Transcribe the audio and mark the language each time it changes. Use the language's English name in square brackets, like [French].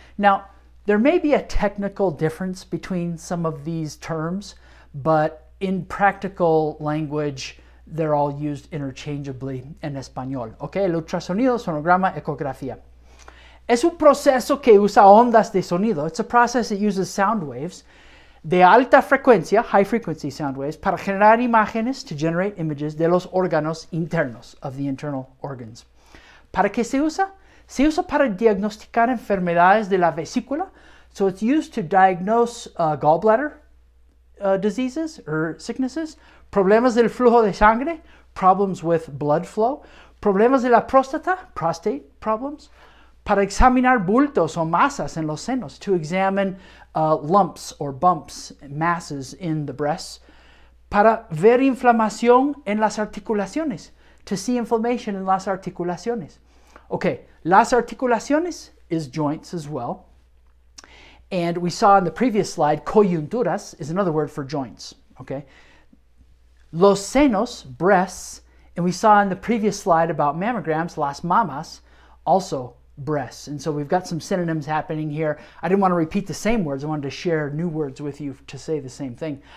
[English] Now, there may be a technical difference between some of these terms, but in practical language, they're all used interchangeably [Spanish] en español. Ok, el ultrasonido, sonograma, ecografía. Es un proceso que usa ondas de sonido. [English] It's a process that uses sound waves [Spanish] de alta frecuencia, [English] high frequency sound waves, [Spanish] para generar imágenes, [English] to generate images, [Spanish] de los órganos internos, [English] of the internal organs. [Spanish] ¿Para qué se usa? Se usa para diagnosticar enfermedades de la vesícula. [English] So it's used to diagnose gallbladder diseases or sicknesses. [Spanish] Problemas del flujo de sangre, [English] problems with blood flow. [Spanish] Problemas de la próstata, [English] prostate problems. [Spanish] Para examinar bultos o masas en los senos, [English] to examine lumps or bumps, masses in the breasts. [Spanish] Para ver inflamación en las articulaciones, [English] to see inflammation in [Spanish] las articulaciones. [English] Okay, las articulaciones is joints as well. And we saw in the previous slide, coyunturas is another word for joints, okay? Los senos, breasts, and we saw in the previous slide about mammograms, las mamas, also breasts. And so we've got some synonyms happening here. I didn't want to repeat the same words. I wanted to share new words with you to say the same thing.